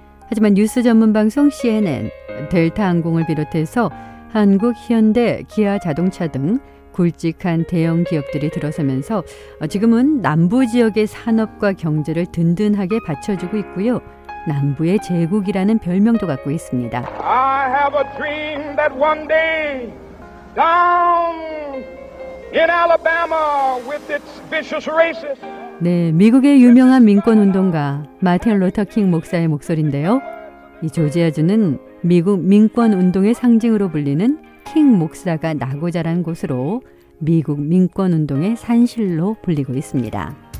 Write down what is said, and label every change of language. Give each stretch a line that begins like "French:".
Korean: 하지만 뉴스 전문 방송 CNN, 델타 항공을 비롯해서 한국, 현대, 기아 자동차 등 굵직한 대형 기업들이 들어서면서 지금은 남부 지역의 산업과 경제를 든든하게 받쳐주고 있고요. 남부의 제국이라는 별명도 갖고 있습니다.
English: I have a dream that one day down in Alabama with its vicious races.
Korean: 네, 미국의 유명한 민권 운동가 마틴 루터 킹 목사의 목소리인데요. 이 조지아주는 미국 민권 운동의 상징으로 불리는 킹 목사가 나고 자란 곳으로 미국 민권 운동의 산실로 불리고 있습니다.